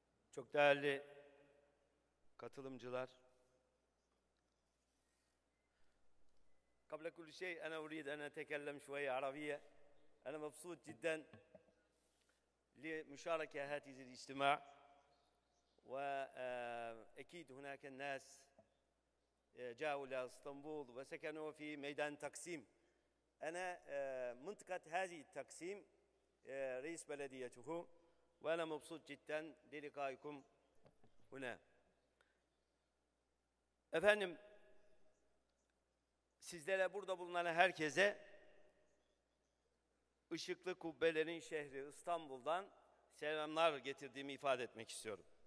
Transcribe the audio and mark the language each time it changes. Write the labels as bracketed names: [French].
[Turkish] Çok değerli katılımcılar. [Arabic] قبل كل شيء انا اريد ان اتكلم شويه عربيه. انا مبسوط جدا لمشاركه هذه الاجتماع، واكيد هناك الناس جاءوا الى اسطنبول وسكنوا في ميدان تقسيم. انا منطقه هذه التقسيم رئيس بلديته، وأنا مبسوط جدا للقائكم هنا. [Turkish] Efendim, sizlere burada bulunan herkese ışıklı kubbelerin şehri İstanbul'dan selamlar getirdiğimi ifade etmek istiyorum.